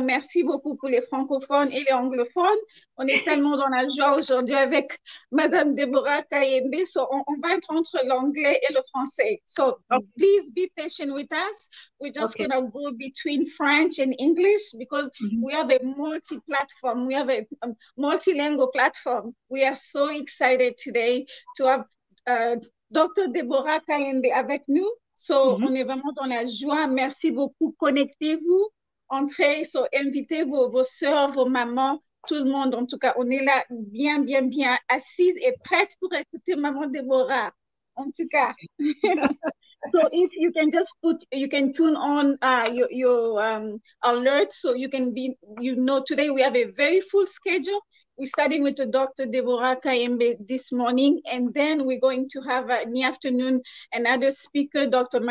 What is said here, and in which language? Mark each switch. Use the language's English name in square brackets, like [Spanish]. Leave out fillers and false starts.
[French] Merci beaucoup pour les francophones et les anglophones. On est tellement dans la joie aujourd'hui avec Madame Deborah Kayembe. So on va être entre l'anglais et le français. [English] So please be patient with us. We're just Okay. gonna go between French and English because we have a multi-platform. We have a multilingual platform. We are so excited today to have Dr. [French] Deborah Kayembe avec nous. So on est vraiment dans la joie. Merci beaucoup. Connectez-vous. Entrez. So invitez vos soeurs, vos mamans, tout le monde. En tout cas, on est là bien, bien, bien assise et prête pour écouter maman Deborah. En tout cas. [English] So if you can just put, you can turn on your alert so you can be, today we have a very full schedule. We're starting with the Dr. Deborah Kayembe this morning, and then we're going to have in the afternoon another speaker, Dr.